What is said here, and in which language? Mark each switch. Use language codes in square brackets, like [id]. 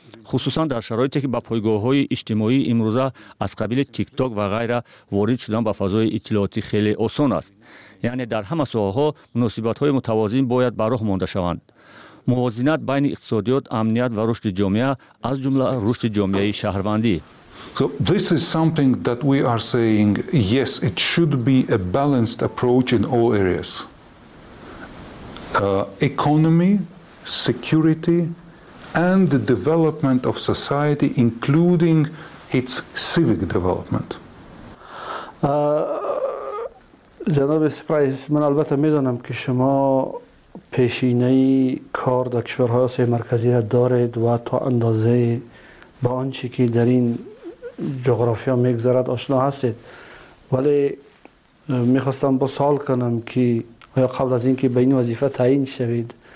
[fa] خصوصا در شرایطی که با پایگاه های اجتماعی امروزه از قبیل تیک تاک و غیره وارد شدن به فضای اطلاعاتی خیلی آسان است. یعنی در همه ساحه‌ها مناسبت های متوازن باید به راه مانده شوند. موازنت بین اقتصادیات، امنیت و رشد جامعه از جمله رشد جامعه شهروندی. [en] So this is something that we are saying, yes, it should be a balanced approach in all areas. Economy, security and the development of society, including its civic development. [fa] جناب سپرایز، من البته میدونم که شما پیشینه کار در کشورهای آسیای مرکزی را دارید و تا اندازه با آنچه که در این جغرافیا میگذرد آشنا هستید، ولی میخواستم با سوال کنم که آیا قبل از اینکه به این وظیفه تعیین شوید